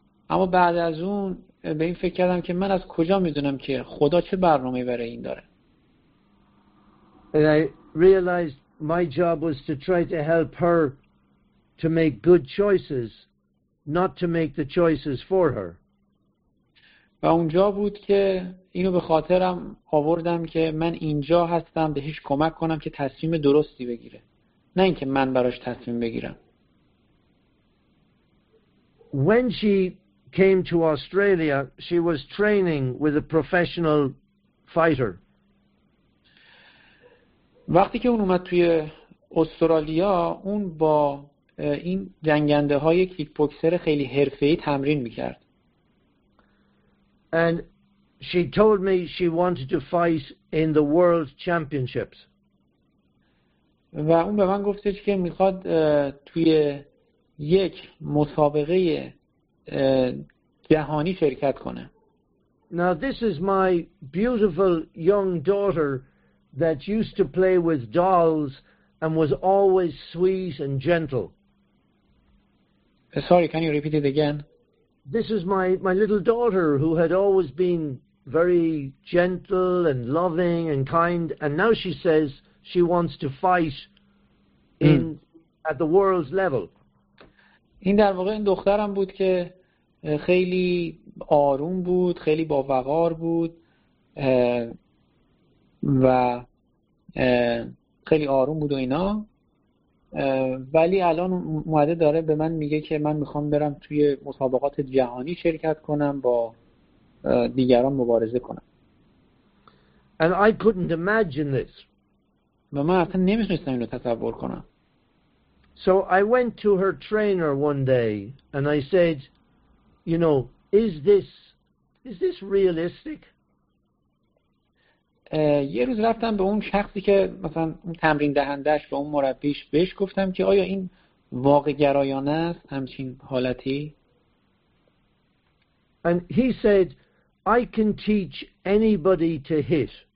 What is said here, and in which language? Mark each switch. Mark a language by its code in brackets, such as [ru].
[fa] اما بعد از اون به این فکر کردم که من از کجا میدونم که خدا چه برنامه‌ای برای این داره. [en] And I realized my job was to try to help her to make good choices, not to make the choices for her. [fa] و اونجا بود که اینو به خاطرم آوردم که من اینجا هستم بهش کمک کنم که تصمیم درستی بگیره، نه اینکه من براش تصمیم بگیرم. [en] When she came to Australia, she was training with a professional fighter. [fa] وقتی که اون اومد توی استرالیا، اون با این جنگنده های کیک بوکسر خیلی حرفه‌ای تمرین میکرد. [en] And she told me she wanted to fight in the world championships. [fa] و اون به من گفتش که میخواد توی یک مسابقه جهانی شرکت کنه. [en] Now this is my beautiful young daughter that used to play with dolls and was always sweet and gentle. Sorry, can you repeat it again? This is my little daughter who had always been very gentle and loving and kind, and now she says she wants to fight in at the world's level. [fa] این در واقع این دخترم بود که خیلی آروم بود، خیلی با وقار بود و خیلی آروم بود و اینا، ولی الان مواده داره به من میگه که من میخوام برم توی مسابقات جهانی شرکت کنم، با دیگران مبارزه کنم. [en] And I couldn't imagine this. [fa] و من اصلا نمیتونستم اینو تصور کنم. [en] So I went to her trainer one day and I said, you know, is this realistic? [fa] یه روز رفتم به اون شخصی که مثلا اون تمرین دهندش، به اون مربیش، بهش گفتم که آیا این واقع گرایانه است همچین حالتی؟ [en] And he said, I can teach anybody to hit.